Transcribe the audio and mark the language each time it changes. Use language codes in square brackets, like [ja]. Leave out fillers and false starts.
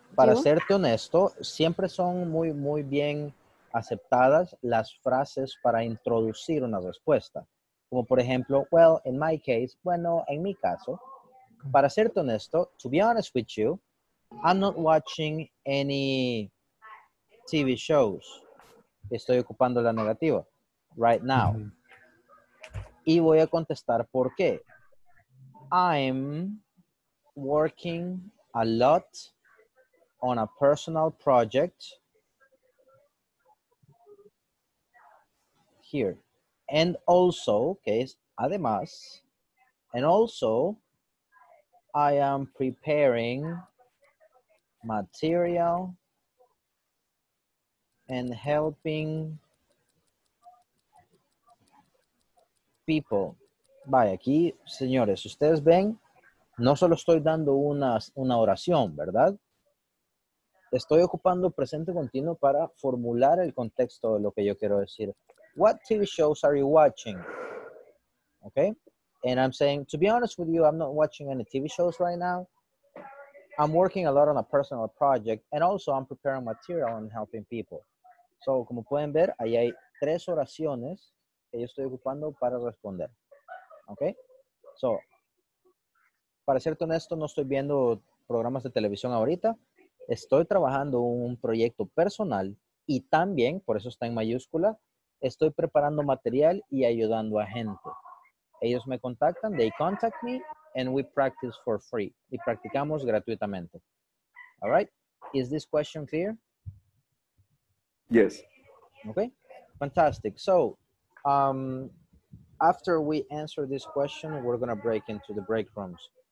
[es] Para serte honesto, siempre son muy, muy bien aceptadas las frases para introducir una respuesta. Como por ejemplo, [en] well, in my case, [es] bueno, en mi caso. Para serte honesto, [en] to be honest with you, I'm not watching any TV shows. [es] Estoy ocupando la negativa [en] right now. [es] Mm-hmm. Y voy a contestar por qué. [en] I'm working a lot on a personal project here. And also, okay, [es] además, [en] and also, I am preparing material and helping people. [es] Vaya, aquí, señores, ustedes ven, no solo estoy dando una oración, ¿verdad? Estoy ocupando presente continuo para formular el contexto de lo que yo quiero decir. [en] What TV shows are you watching? Okay. And I'm saying, to be honest with you, I'm not watching any TV shows right now. I'm working a lot on a personal project. And also, I'm preparing material and helping people. [es] So, como pueden ver, ahí hay tres oraciones que yo estoy ocupando para responder. Okay. So, para ser honesto, no estoy viendo programas de televisión ahorita. Estoy trabajando un proyecto personal y también, por eso está en mayúscula, estoy preparando material y ayudando a gente. Ellos me contactan, [en] they contact me, and we practice for free. [es] Y practicamos gratuitamente. [en] All right? Is this question clear? Yes. Okay. Fantastic. So, after we answer this question, we're going to break into the break rooms.